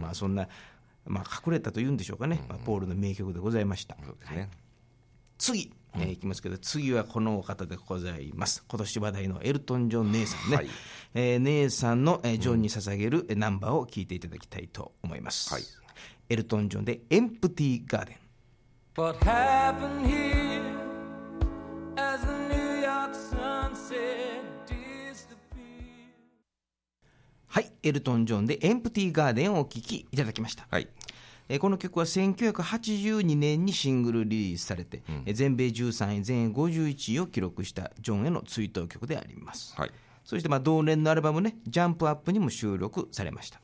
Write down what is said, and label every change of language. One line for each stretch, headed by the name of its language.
Japanese: まあ、そんな、まあ、隠れたというんでしょうかね、うん、まあ、ポールの名曲でございました。そうですね、はい、次、いきますけど、次はこのお方でございます。今年話題のエルトン・ジョン姉さんね、はい、姉さんの、ジョンに捧げる、ナンバーを聞いていただきたいと思います、はい、エルトン・ジョンでエンプティー・ガーデン。
English: What happened here as the New York sunset disappeared。
Japanese: はい、エルトン・ジョンでエンプティー・ガーデンをお聴きいただきました、はい、この曲は1982年にシングルリリースされて、うん、全米13位全英51位を記録したジョンへの追悼曲であります、はい、そしてまあ同年のアルバムね、ジャンプアップにも収録されました、